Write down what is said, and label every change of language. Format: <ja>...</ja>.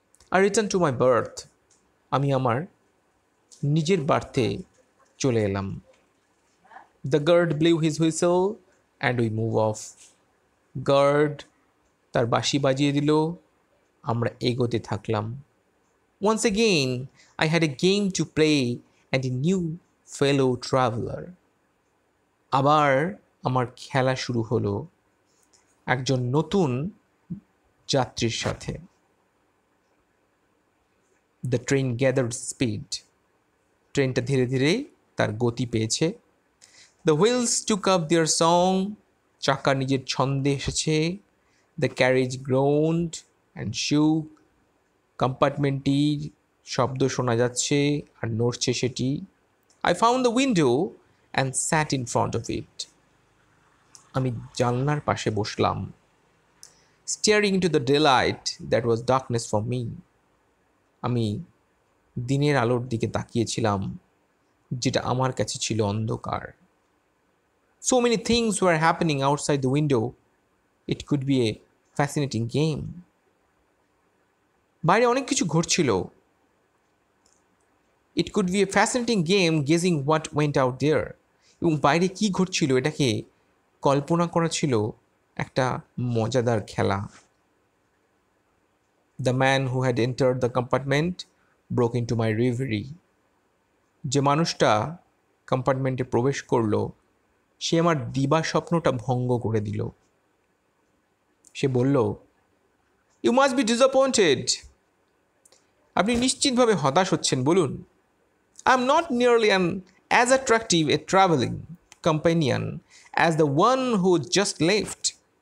<en>I return to my berth.</en> <bn>আমি আমার নিজের বার্থে চলে এলাম।</bn> <en>The guard blew his whistle and we move off.</en> <bn>Guard তার বাঁশি বাজিয়ে দিল, আমরা এগোতে থাকলাম।</bn> <en>Once again, I had a game to play and a new fellow traveler.</en> <bn>আবার আমার খেলা শুরু হলো একজন নতুন যাত্রীর সাথে.</bn> <en>The train gathered speed.</en> <bn>ট্রেনটা ধীরে ধীরে তার গতি পেয়েছে.</bn> <en>The wheels took up their song.</en> <bn>চাকা নিজের ছন্দে এসেছে.</bn> <en>The carriage groaned and shook.</en> <bn>কম্পার্টমেন্টটির শব্দ শোনা যাচ্ছে আর নড়ছে সেটি.</bn> <en>I found the window and sat in front of it.</en> <bn>আমি জানলার পাশে বসলাম.</bn> <en>Staring into the daylight that was darkness for me.</en> <bn>আমি দিনের আলোর দিকে তাকিয়েছিলাম যেটা আমার কাছে ছিল অন্ধকার.</bn> <en>So many things were happening outside the window. It could be a fascinating game.</en> <bn>বাইরে অনেক কিছু ঘটছিল.</bn> <en>It could be a fascinating game guessing what went out there.</en> <bn>এবং বাইরে কী ঘটছিল এটাকে কল্পনা করা ছিল একটা মজাদার খেলা.</bn> <en>The man who had entered the compartment broke into my reverie.</en> <bn>যে মানুষটা কম্পার্টমেন্টে প্রবেশ করল সে আমার দিবা স্বপ্নটা ভঙ্গ করে দিল. সে বলল,</bn> <en>You must be disappointed.</en> <bn>আপনি নিশ্চিতভাবে হতাশ হচ্ছেন. বলুন,</bn> <en>I am not nearly an as attractive a travelling companion as the one who just left.</en>